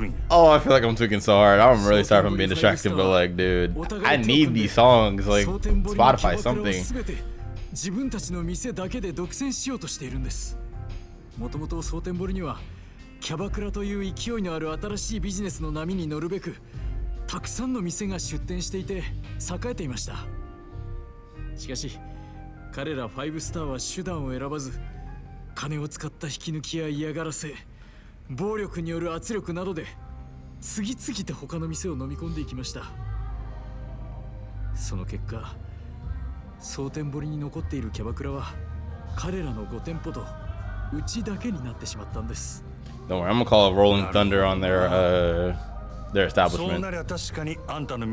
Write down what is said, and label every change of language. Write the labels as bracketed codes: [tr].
[en] Oh, I feel like I'm tweaking so hard. I'm really sorry if I'm being distracted, but like, dude, I need these songs, like Spotify, something. [ja] もともと蒼天堀にはキャバクラという勢いのある新しいビジネスの波に乗るべくたくさんの店が出店していて栄えていました。しかし彼らファイブスターは手段を選ばず金を使った引き抜きや嫌がらせ 暴力による圧力などで次々と他の店を飲み込んでいきました。その結果、蒼天堀に残っているキャバクラは彼らの5店舗とうちだけになってしまったんです。 [en] Don't worry, I'm gonna call a Rolling Thunder on their establishment.